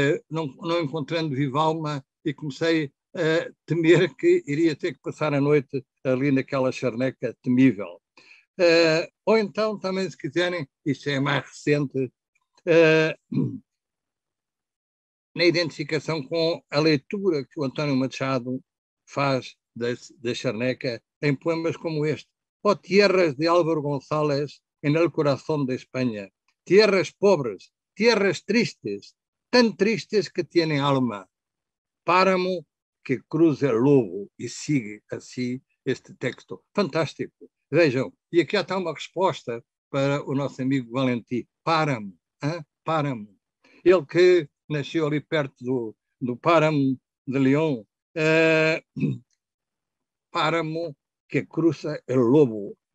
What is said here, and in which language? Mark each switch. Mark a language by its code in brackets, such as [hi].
[pt] Não encontrando vivalma, e comecei a temer que iria ter que passar a noite ali naquela charneca temível. Ou então, também, se quiserem, isto é mais recente, na identificação com a leitura que o António Machado faz da Charneca em poemas como este. [es] Ó tierras de Álvaro González en el corazón de España, tierras pobres, tierras tristes, tan tristes que tienen alma, páramo que cruza el lobo [pt] e sigue así este texto. Fantástico. Vejam, e aqui há até uma resposta para o nosso amigo Valentim. Páramo, hein? Páramo. Ele que nasceu ali perto do Páramo de Leão. [es] Páramo que cruza el lobo.